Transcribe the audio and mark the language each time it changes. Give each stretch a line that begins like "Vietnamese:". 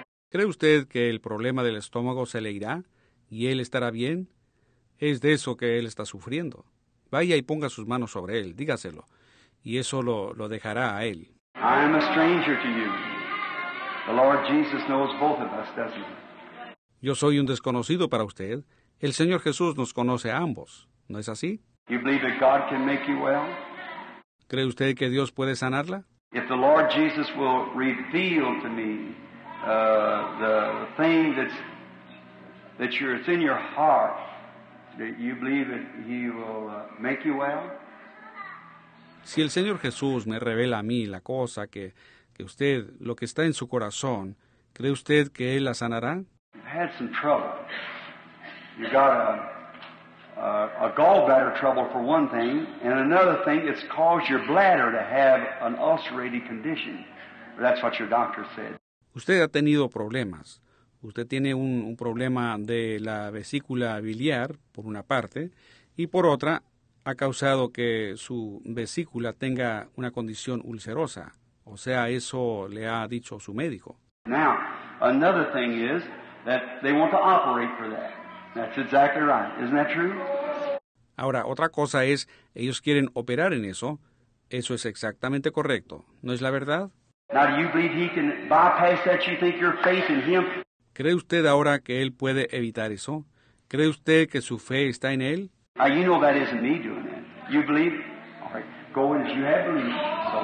Spanish: ¿Cree usted que el problema del estómago se le irá y él estará bien? Es de eso que él está sufriendo. Vaya y ponga sus manos sobre él, dígaselo. Y eso lo dejará a él.
English: I am a stranger to you. The Lord Jesus knows both of us, doesn't he?
Spanish: Yo soy un desconocido para usted. El Señor Jesús nos conoce a ambos, ¿no es así?
English: You believe that God can make you well?
Spanish: ¿Cree usted que Dios puede sanarla?
English: If the Lord Jesus will reveal to me the thing that you're, it's in your heart, that you believe that he will make you well?
Spanish: Si el Señor Jesús me revela a mí la cosa que... ¿Y usted, lo que está en su corazón, cree usted que él la sanará?
English: You've had some trouble. You've got a gallbladder trouble for one thing, and another thing, it's caused your bladder to have an ulcerated condition. That's what your doctor said.
Spanish: Usted ha tenido problemas. Usted tiene un problema de la vesícula biliar, por una parte, y por otra, ha causado que su vesícula tenga una condición ulcerosa. O sea, eso le ha dicho su médico.
English: Now, another thing is that they want to operate for that. That's exactly right. Isn't that true?
Spanish: Ahora, otra cosa es, ellos quieren operar en eso. Eso es exactamente correcto. ¿No es la verdad?
English: Now, do you believe he can bypass that? You think your faith in him?
Spanish: ¿Cree usted ahora que él puede evitar eso? ¿Cree usted que su fe está en él?
English: Now, you know that isn't me doing that. You believe? All right. Go in as you have believed.